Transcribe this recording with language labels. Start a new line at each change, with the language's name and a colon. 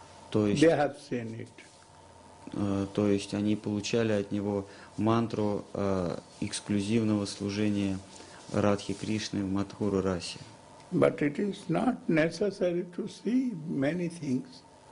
Russian: То есть,
English: they have seen it.
Russian: То есть они получали от него мантру эксклюзивного служения Радхи Кришны в Матхуру Расе.
English: But it is not necessary to see many things.